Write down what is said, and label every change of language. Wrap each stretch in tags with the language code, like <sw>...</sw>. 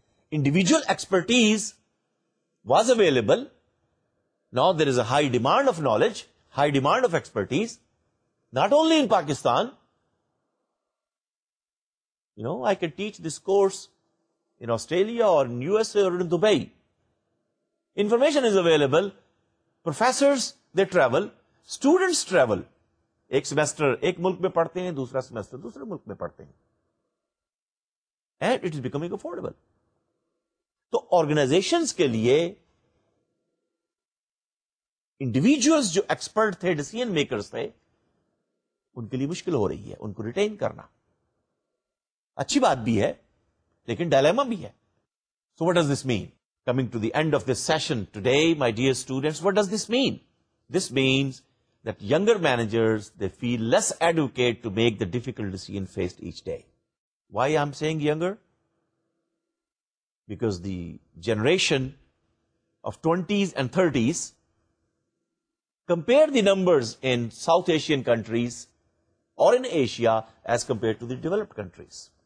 <en>Individual expertise was available, now there is a high demand of knowledge, high demand of expertise not only in Pakistan. You know I can teach this course in Australia اور U S A اور in Dubai. Information is available, professors they travel, students travel.</en> <ur>ایک semester ایک ملک میں پڑھتے ہیں, دوسرا semester دوسرے ملک میں پڑھتے ہیں.</ur> <en>And it is becoming affordable.</en> <ur>تو organizations کے لیے individuals جو expert تھے, decision makers تھے, ان کے لیے مشکل ہو رہی ہے ان کو retain کرنا. اچھی بات بھی ہے لیکن dilemma بھی ہے.</ur> <en>So what does this mean? Coming to the end of this session today, my dear students, what does this mean? This means that younger managers, they feel less adequate to make the difficult decision faced each day. Why I'm saying younger? Because the generation of 20s and 30s, compare the numbers in South Asian countries or in Asia as compared to the developed countries.</en>